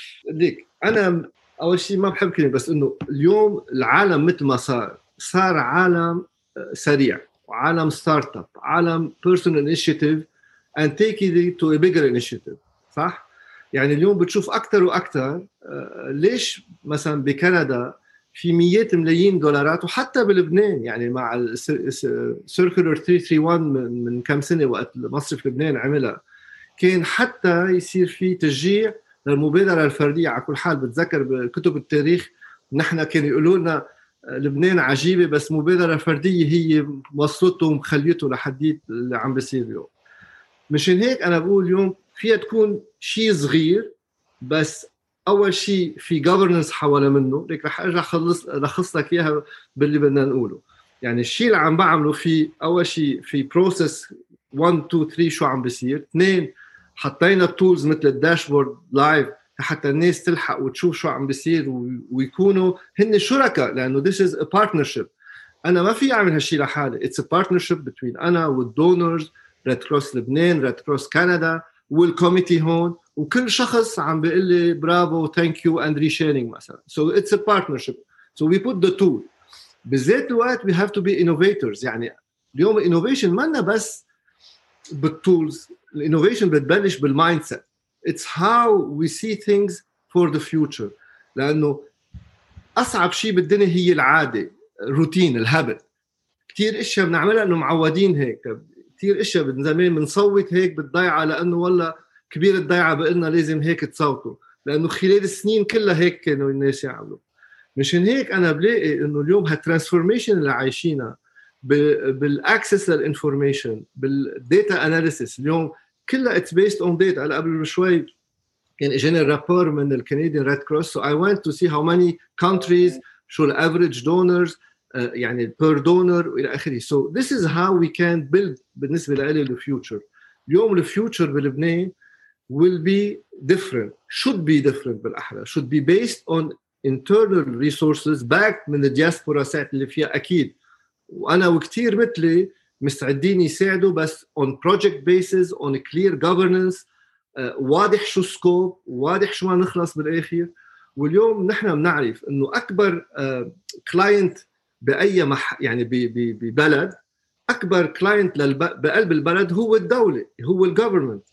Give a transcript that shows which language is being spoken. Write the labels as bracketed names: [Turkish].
[Arabic] ليك انا اول شيء ما بحب كلمة بس انه اليوم العالم مثل ما صار عالم سريع وعالم ستارت اب عالم بيرسونال انيشيتيف [English] and taking it to a bigger initiative. [Arabic] صح؟ يعني اليوم بتشوف أكثر وأكثر ليش مثلا بكندا في مئات ملايين دولارات وحتى بلبنان يعني مع السيركولر 331 من كم سنة وقت مصرف لبنان عملها كان حتى يصير في تشجيع للمبادرة الفردية. على كل حال بتذكر بكتب التاريخ نحن كان يقولونا لبنان عجيبة بس مبادرة فردية هي وصلته ومخليته لحديت اللي عم بيصير اليوم. مشان هيك أنا بقول اليوم فيها تكون شيء صغير بس أول شيء في governance حوالي منه لك رح أرجع خلص لك إياها باللي بدنا نقوله. يعني الشيء اللي عم بعمله في أول شيء في process 1, 2, 3 شو عم بيصير. 2 حطينا tools مثل الداشبورد live حتى الناس تلحق وتشوف شو عم بيصير ويكونوا هن شركة لأنه [English] this is a partnership. [Arabic] أنا ما في أعمل هالشي لحالي. [English] It's a partnership between [Arabic] أنا والdonors, Red Cross لبنان, Red Cross Canada, والcommittee هون وكل شخص عم بيقول لي برافو [English] thank you and resharing [Arabic] مثلا. [English] So it's a partnership. So we put the tool. [Arabic] بالذات الوقت [English] we have to be innovators. [Arabic] يعني اليوم innovation مانا بس بالtools. Innovation بتبلش بالmindset. [English] It's how we see things for the future. [Arabic] لأنه أصعب شيء بالدنيا هي العادة, الروتين, الهابت. كتير إشياء بنعملها إنه معودين هيك. كتير إشياء من زمان بنصوت هيك بالضيعة لأنه والله كبير الضيعة بقلنا لازم هيك تصوتوا. لأنه خلال السنين كلها هيك كانوا الناس يعملوا. مشان هيك أنا بلاقي إنه اليوم هالترانسفورميشن اللي عايشينها بالأكسس للإنفورميشن, بالديتا أناليسيس اليوم كلها [English] it's based on data. [Arabic] قبل شوي كان اجاني رابور من ال [English] Canadian Red Cross, so I went to see how many countries, شو ال average donors, يعني per donor [Arabic] وإلى آخره. [English] So this is how we can build [Arabic] بالنسبة لإلي [English] the future. اليوم the future بلبنان will be different, should be different [Arabic] بالأحرى, [English] should be based on internal resources backed من the diaspora set [Arabic] اللي فيها أكيد. وأنا وكتير مثلي مستعدين يساعدوا بس [English] on project basis, on a clear governance, [Arabic] واضح شو سكوب, واضح شو ما نخلص بالآخر. واليوم نحن بنعرف إنه أكبر client بأي يعني ببلد, أكبر client بقلب البلد هو الدولة, هو الgovernment.